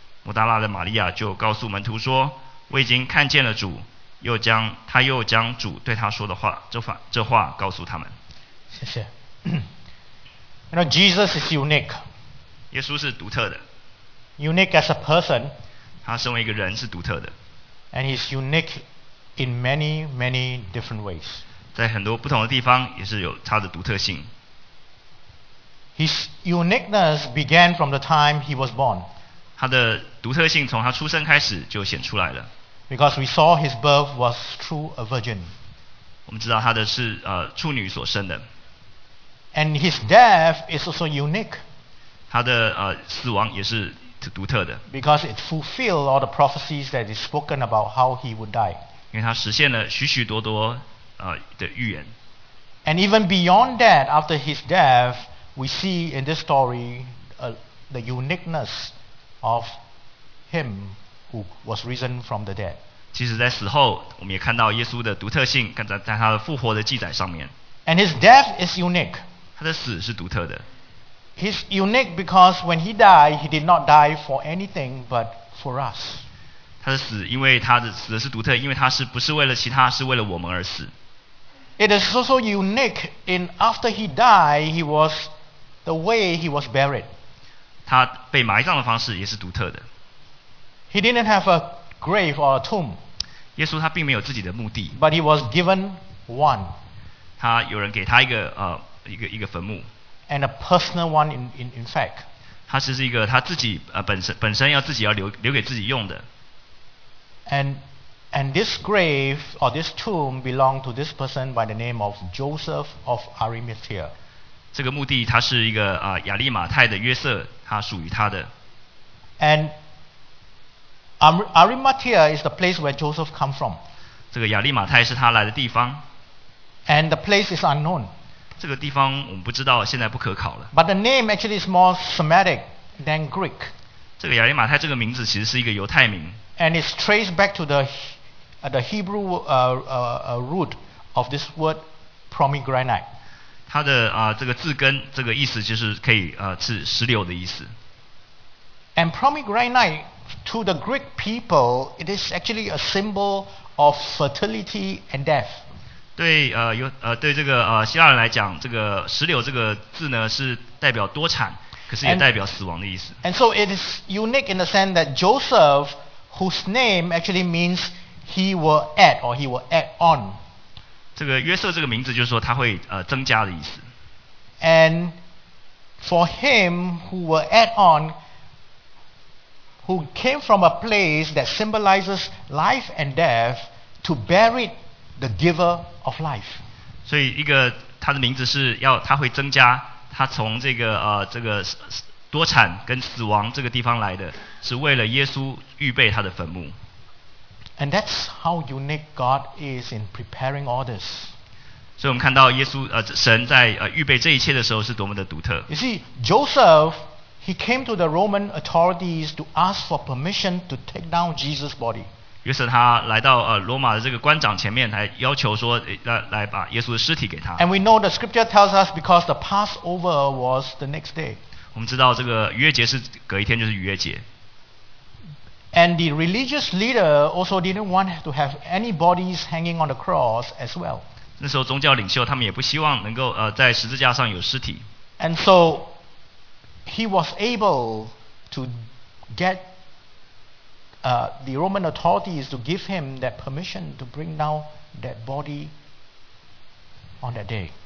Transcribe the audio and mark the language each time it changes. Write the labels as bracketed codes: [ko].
[zh] 抹大拉的玛利亚就告诉门徒说：我已经看见了主，又将主对他说的话，这话告诉他们。谢谢。 [en] You know, Jesus is unique. [zh] 耶稣是独特的。 [en] Unique as a person. [zh] 他身为一个人是独特的。 [en] And he's unique in many, many different ways. [zh] 在很多不同的地方也是有他的独特性。 [en] His uniqueness began from the time he was born. [zh] 他的独特性从他出生开始就显出来了。 [en] Because we saw his birth was through a virgin. [zh] 我们知道他的是处女所生的。 [en] And his death is also unique. [zh] 他的死亡也是独特的。 [en] Because it fulfilled all the prophecies that is spoken about how he would die. [zh] 因为他实现了许许多多的预言。 [en] And even beyond that, after his death, we see in this story the uniqueness. Of him who was risen from the dead. [zh] 其实在死后，我们也看到耶稣的独特性，看在他的复活的记载上面。 [en] And his death is unique. [zh] 他的死是独特的。 [en] He's unique because when he died, he did not die for anything but for us. [zh] 他的死，因为他的死的是独特，因为他是不是为了其他，是为了我们而死。 [en] It is also unique in after he died, he was the way he was buried. [zh] 他被埋葬的方式也是独特的。 [en] He didn't have a grave or a tomb. [zh] 耶稣他并没有自己的墓地。 [en] But he was given one. [zh] 他有人给他一个坟墓。 [en] And a personal one in fact. [zh] 他是一个他自己本身要自己要留给自己用的。 [en] And this grave or this tomb belonged to this person by the name of Joseph of Arimathea. [zh] 这个墓地他是一个亚利马太的约瑟，他属于他的。 [en] And Arimathea is the place where Joseph come from. [zh] 这个亚利马太是他来的地方。 [en] And the place is unknown. [zh] 这个地方我们不知道，现在不可考了。 [en] But the name actually is more Semitic than Greek. [zh] 这个亚利马太这个名字其实是一个犹太名。 [en] And it's traced back to the Hebrew root of this word pomegranate. [zh] 它的这个字根，这个意思就是可以是石榴的意思。 [en] And pomegranate to the Greek people, it is actually a symbol of fertility and death. [zh] 对这个希腊人来讲，这个石榴这个字呢是代表多产，可是也代表死亡的意思。 [en] And so it is unique in the sense that Joseph, whose name actually means he will add or he will add on. [zh] 这个约瑟这个名字就是说他会增加的意思。 [en] And for him who will add on, who came from a place that symbolizes life and death, to bury the giver of life. [zh] 所以一个他的名字是要他会增加，他从这个这个多产跟死亡这个地方来的，是为了耶稣预备他的坟墓。 [en] And that's how unique God is in preparing all this. [zh] 所以我们看到耶稣神在预备这一切的时候是多么的独特。 [en] You see, Joseph, he came to the Roman authorities to ask for permission to take down Jesus' body. [zh] 约瑟他来到罗马的这个官长前面，来要求说来把耶稣的尸体给他。 [en] And we know the scripture tells us because the Passover was the next day. [zh] 我们知道这个逾越节是隔一天，就是逾越节。 [en] And the religious leader also didn't want to have any bodies hanging on the cross as well. [zh] 那时候宗教领袖他们也不希望能够在十字架上有尸体。 [en] And so he was able to get the Roman authorities to give him that permission to bring down that body on that day.